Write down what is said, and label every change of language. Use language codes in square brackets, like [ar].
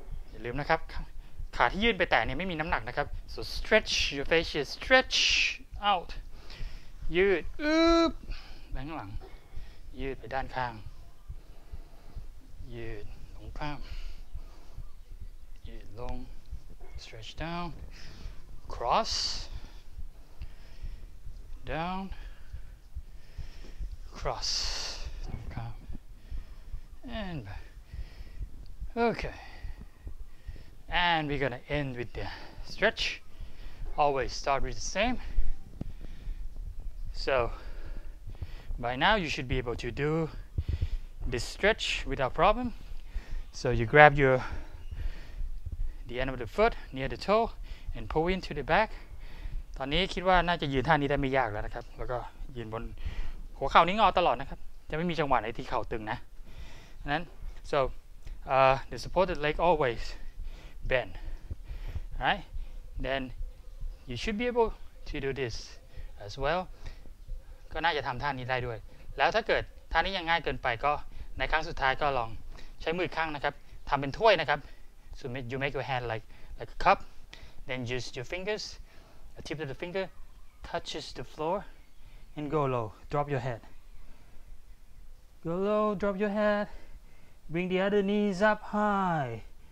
[th] อย่าลืมนะครับขาที่ยื่นไปแต่เนี่ยไม่มีน้ำหนักนะครับ [en] so stretch your fascia, stretch out, [th] ยืดอึ๊บแบงหลังยืดไปด้านข้างยืดลงข้ามยืดลง [en] stretch down cross down cross [th] ลงข้าม [en] and back. Okay, and we're gonna end with the stretch. Always start with the same. So by now you should be able to do this stretch without problem. So you grab the end of the foot near the toe and pull into the back. [th] ตอนนี้คิดว่าน่าจะยืนท่านี้ได้ไม่ยากแล้วนะครับแล้วก็ยืนบนหัวเข่านี้งอตลอดนะครับจะไม่มีจังหวะไหนที่เข่าตึงนะนั้น [en] so the supported leg always bend, right? Then you should be able to do this as well. [th] ก็น่าจะทำท่านี้ได้ด้วยแล้วถ้าเกิดท่านี้ยังง่ายเกินไปก็ในครั้งสุดท้ายก็ลองใช้มืออีกข้างนะครับทำเป็นถ้วยนะครับ [en] so you make your hand like a cup, then use your fingers, the tip of the finger touches the floor and go low, drop your head, go low, drop your head, bring the other knees up high,